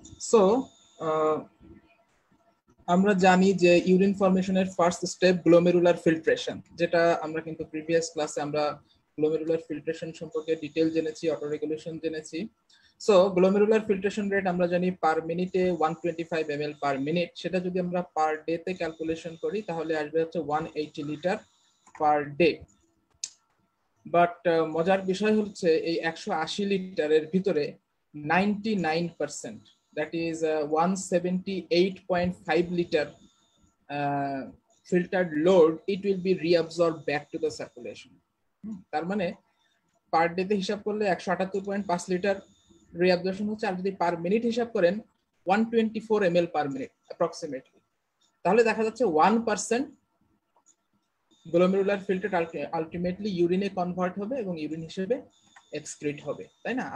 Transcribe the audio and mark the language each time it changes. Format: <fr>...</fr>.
<bn>So আমরা জানি যে urine ফরমেশনের first step glomerular filtration, যেটা আমরা কিন্তু প্রিভিয়াস ক্লাসে আমরা গ্লোমেরুলার ফিল্ট্রেশন সম্পর্কে ডিটেল জেনেছি, অটোরেগুলেশন জেনেছি। সো গ্লোমেরুলার ফিল্ট্রেশন রেট আমরা জানি পার মিনিটে 125 ml পার মিনিট, সেটা যদি আমরা পার ডেতে ক্যালকুলেশন করি তাহলে আসবে হচ্ছে 180 liters পার ডে। বাট মজার বিষয় হচ্ছে এই 180 লিটারের ভিতরে</bn> <en>99% that is 178.5 liters filtered load it will be reabsorbed back to the circulation.</en> <bn>তার মানে পার ডে তে হিসাব করলে 178.5 liters রিঅ্যাবজর্পশন হচ্ছে, আর যদি পার মিনিট হিসাব করেন 124 ml পার মিনিট অ্যাপ্রক্সিমেটলি, তাহলে দেখা যাচ্ছে 1% গ্লোমেরুলার ফিল্টার আলটিমেটলি ইউরিনে কনভার্ট হবে এবং ইউরিন হিসেবে এক্সক্রিট হবে, তাই না?</bn>